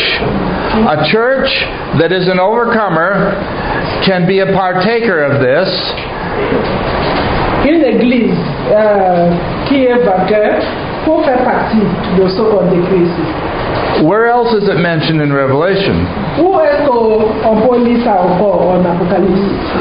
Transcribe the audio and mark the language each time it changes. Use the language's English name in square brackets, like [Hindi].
[English] A church that is an overcomer can be a partaker of this. [French] Une église qui est vainqueur pour faire partie de ce corps de Christ. [English] Where else is it mentioned in Revelation? [French] Où est-ce qu'on peut lire ça encore en Apocalypse?